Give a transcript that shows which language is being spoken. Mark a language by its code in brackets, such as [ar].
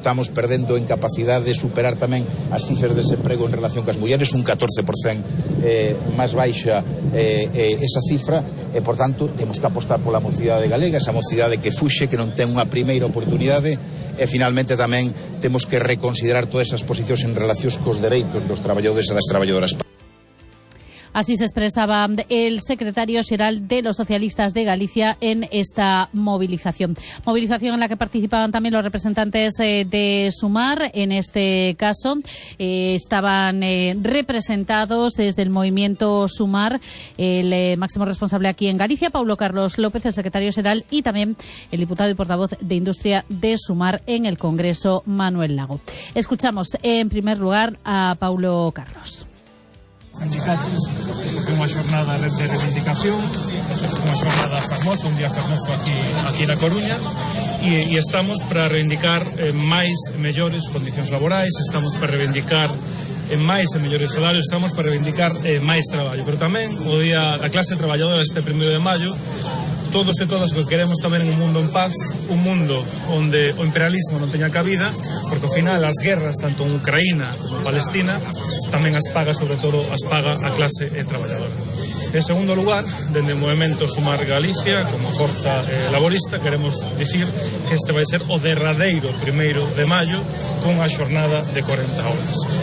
[gl] Estamos perdendo en capacidade de superar tamén as cifras de desemprego en relación cas mulleres, un 14% máis baixa esa cifra, e, por tanto, temos que apostar pola mocidade galega, esa mocidade que fuxe, que non ten unha primeira oportunidade, e, finalmente, tamén temos que reconsiderar todas esas posicións en relación cos dereitos dos traballadores e das traballadoras. [es] Así se expresaba el secretario xeral de los socialistas de Galicia en esta movilización. Movilización en la que participaban también los representantes de Sumar. En este caso, estaban representados desde el movimiento Sumar el máximo responsable aquí en Galicia, Paulo Carlos López, el secretario xeral, y también el diputado y portavoz de Industria de Sumar en el Congreso, Manuel Lago. Escuchamos en primer lugar a Paulo Carlos. [gl] Sindicatos, é unha xornada de reivindicación, unha xornada fermosa, un día fermoso aquí na Coruña, e estamos para reivindicar máis e mellores condicións laborais, estamos para reivindicar máis e mellores salarios, estamos para reivindicar máis traballo, pero tamén o día da clase traballadora este 1º de maio, [es] todos y todas que queremos también un mundo en paz, un mundo donde el imperialismo no tenga cabida, porque al final las guerras, tanto en Ucrania como en Palestina, también las paga, sobre todo, las paga a clase trabajadora. En segundo lugar, desde el movimiento Sumar Galicia, como fuerza laborista, queremos decir que este va a ser [gl] o derradeiro [es] primero de mayo con la jornada de 40 horas.